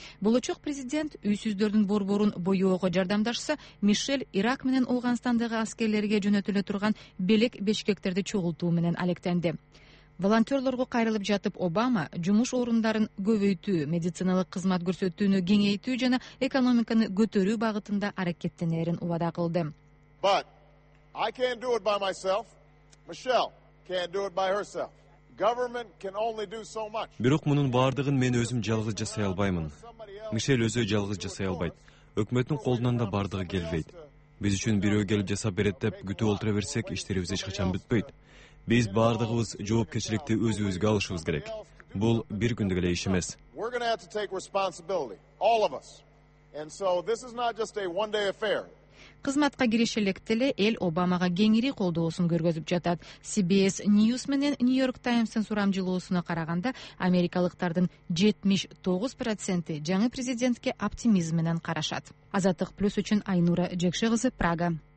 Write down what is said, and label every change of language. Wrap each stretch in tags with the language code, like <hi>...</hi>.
<ky>Болочок президент үйсүздөрдүн борборун боеого жардамдашса, Мишель Ирак менен Ауганстандагы аскерлерге жөнөтүлө турган белек бешкектерди чогултуу менен алектенди. Волонтерлорго кайрылып жатып Обама жумуш орундарын көбөйтүү, медициналык кызмат көрсөтүүнү кеңейтүү жана экономиканы көтөрүү багытында аракеттенерин убада кылды.</ky> <en>But I can't do it by myself. Michelle can't do it by herself. Government can only do so much.</en> <ky>Бирок мунун баардыгын мен өзүм жалгыз жасай албаймын. Мишель өзү жалгыз жасай албайт. Өкмөттүн колунан да баардыгы келбейт. Биз үчүн бирөө келип жасап берет деп күтүп олтура берсек, иштерибиз эч качан бүтпөйт. Биз баардыгыбыз жоопкерчиликти өзүбүзгө алышыбыз керек. Бул бир күндүк эле иш эмес.</ky> <en>We're going to have to take responsibility, all of us. And so this is not just a one-day affair.</en> <ky>Кызматка кириш электе эле эл Обамага кеңири колдоосун көргөзүп жатат. CBS News менен New York Times'ын сурамжылоосуна караганда, америкалыктардын 79% жаңы президентке оптимизм менен карашат. Азаттык плюс үчүн Айнура Жекше кызы Прага.</ky>